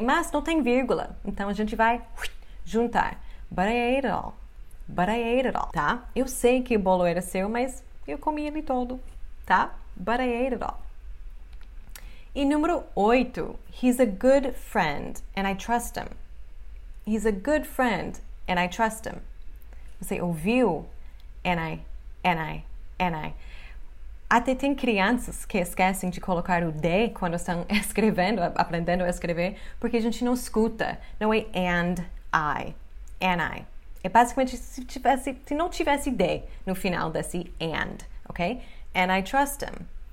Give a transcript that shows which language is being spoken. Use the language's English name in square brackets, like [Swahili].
[Portuguese] Mas não tem vírgula, então a gente vai juntar. But I ate it all. But I ate it all. Tá? Eu sei que o bolo era seu, mas eu comi ele todo. [English] Tá? But I ate it all. [Portuguese] E número 8. [English] He's a good friend and I trust him. He's a good friend and I trust him. [Portuguese] Você ouviu? [English] And I. [Portuguese] Até tem crianças que esquecem de colocar o D quando estão escrevendo, aprendendo a escrever, porque a gente não escuta. Não é and I. And I. É basicamente se não tivesse de no final desse and, ok? [English] And I trust him.